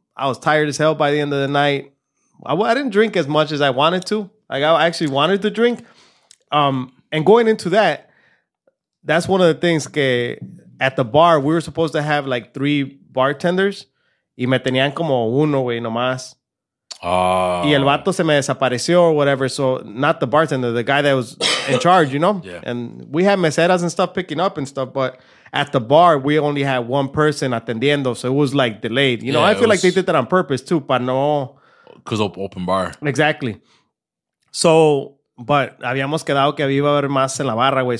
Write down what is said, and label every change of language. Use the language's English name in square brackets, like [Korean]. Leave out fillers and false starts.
[English] I was tired as hell by the end of the night. I didn't drink as much as I wanted to. Like, I actually wanted to drink. And going into that, that's one of the things [Spanish] que [English] at the bar, we were supposed to have like 3 bartenders. [Spanish] Y me tenían como uno, güey, nomás. Y el vato se me desapareció [English] or whatever. So not the bartender, the guy that was in charge, you know? Yeah. And we had [Spanish] meseras [English] and stuff picking up and stuff. But at the bar, we only had one person [Spanish] atendiendo. [English] So it was like delayed. You know, yeah, I feel like they did that on purpose too. [Spanish] Para no... [English] Because of open bar. Exactly. So... But [Spanish] habíamos quedado que iba a haber más en la barra, güey.